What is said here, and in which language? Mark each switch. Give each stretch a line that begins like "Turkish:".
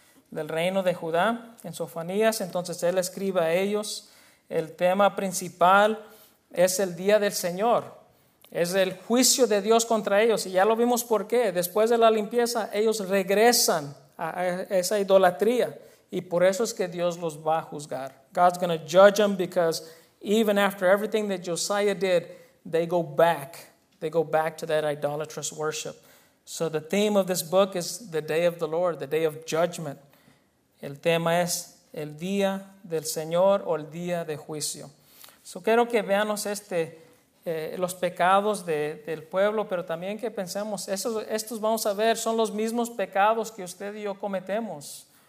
Spanish: del reino de Judá, en Sofonías. Entonces él escribe a ellos. El tema principal es el día del Señor. Es el juicio de Dios contra ellos. Y ya lo vimos por qué. Después de la limpieza, ellos regresan a esa idolatría. Y por eso es que Dios los va a juzgar.
English: God's going to judge them because even after everything that Josiah did, they go back. They go back to that idolatrous worship. So the theme of this book is the day of the Lord, the day of judgment.
Spanish: El tema es el día del Señor o el día de juicio. So quiero que veamos los pecados del pueblo, pero también que pensemos, estos vamos a ver, son los mismos pecados que usted y yo cometemos.